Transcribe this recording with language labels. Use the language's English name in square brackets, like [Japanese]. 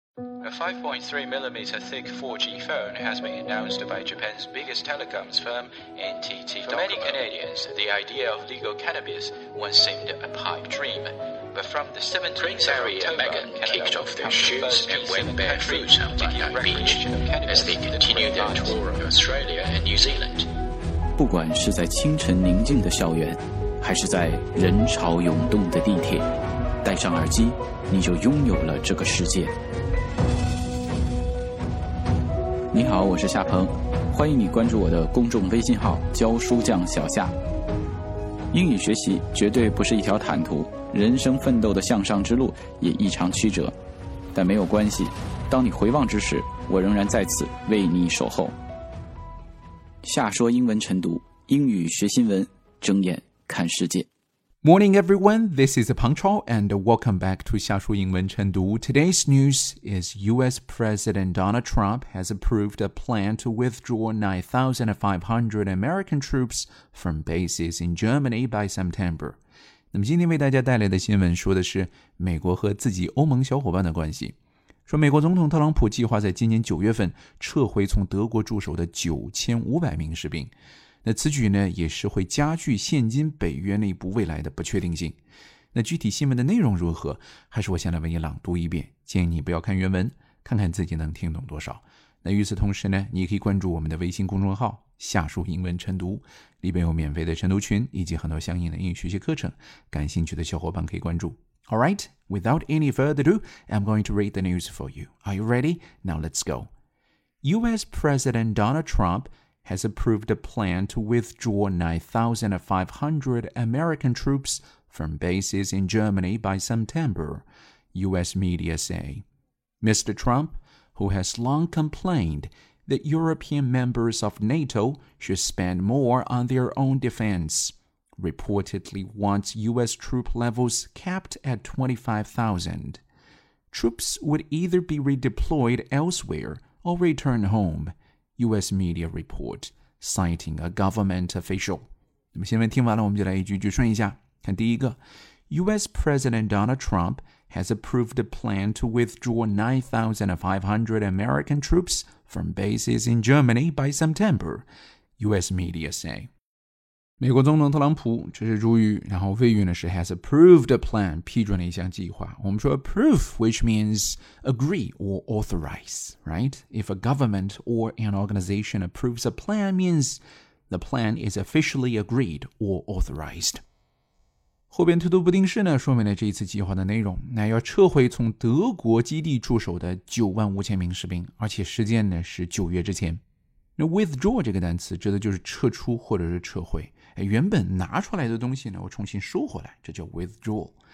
[English] A 5.3mm thick 4G phone has been announced by Japan's biggest telecoms firm, NTT Docomo. For many Canadians, the idea of legal cannabis once seemed a pipe dream. But from the 17th of October, Megan kicked off their shoes and went barefoot on the beach as they continued their tour of Australia and New Zealand. [Chinese] 不管是在清晨宁静的校园，还是在人潮涌动的地铁，戴上耳机，你就拥有了这个世界。你好，我是夏鹏，欢迎你关注我的公众微信号教书匠小夏。英语学习绝对不是一条坦途，人生奋斗的向上之路也异常曲折，但没有关系，当你回望之时，我仍然在此为你守候。夏说英文晨读，英语学新闻，睁眼看世界。 [English] Morning everyone, this is Peng Chao and welcome back to 夏说英文晨读。 Today's news is US President Donald Trump has approved a plan to withdraw 9,500 American troops from bases in Germany by September. [Chinese] 那么今天为大家带来的新闻说的是美国和自己欧盟小伙伴的关系。说美国总统特朗普计划在今年9月份撤回从德国驻守的9500名士兵。那此举呢也是会加剧现今北约内部未来的不确定性。那具体新闻的内容如何，还是我先来为你朗读一遍，建议你不要看原文，看看自己能听懂多少。那与此同时呢，你可以关注我们的微信公众号夏书英文晨读，里边有免费的晨读群以及很多相应的英语学习课程，感兴趣的小伙伴可以关注。 [English] Alright, without any further ado, I'm going to read the news for you. Are you ready? Now let's go. US President Donald Trump has approved a plan to withdraw 9,500 American troops from bases in Germany by September, US media say. Mr. Trump, who has long complained that European members of NATO should spend more on their own defense, reportedly wants US troop levels capped at 25,000. Troops would either be redeployed elsewhere or return home,US media report, citing a government official. [Chinese] 那么新闻听完了，我们就来一句句顺一下。看第一个， [English] US President Donald Trump has approved a plan to withdraw 9,500 American troops from bases in Germany by September, US media say. [Chinese] 美国总统特朗普，这是主语，然后谓语呢是 [English] has approved a plan, [Chinese] 批准了一项计划。 [English] 我们说 approve, which means agree or authorize, right? If a government or an organization approves a plan, means the plan is officially agreed or authorized. [Chinese] 后边推读不定式呢，说明了这一次计划的内容，那要撤回从德国基地驻守的95000名士兵，而且时间呢是9月之前。那 withdraw 这个单词指的就是撤出或者是撤回，原本拿出来的东西呢我重新收回来，这叫 withdraw。